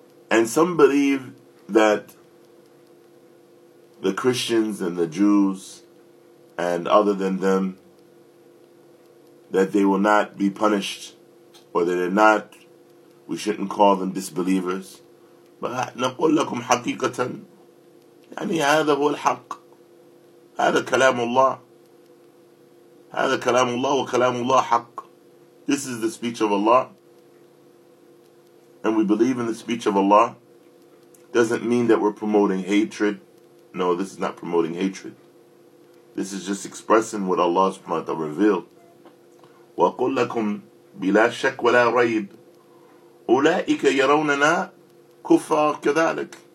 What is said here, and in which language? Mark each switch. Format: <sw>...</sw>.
<en>And some believe that the Christians and the Jews and other than them, that they will not be punished, or that they're not, we shouldn't call them disbelievers.</en> <ar>But نقول لكم حقيقة يعني هذا هو الحق، هذا كلام الله، هذا كلام الله وكلام الله حق.</ar> <en>This is the speech of Allah, and we believe in the speech of Allah. Doesn't mean that we're promoting hatred. No, this is not promoting hatred. This is just expressing what Allah subhanahu wa ta'ala revealed.</en> <ar>وَقُلْ لَكُمْ بِلَا شَكْ وَلَا رَيْبْ أُولَٰئِكَ يَرَوْنَنَا كُفَّارَ كَذَلِكَ.</ar>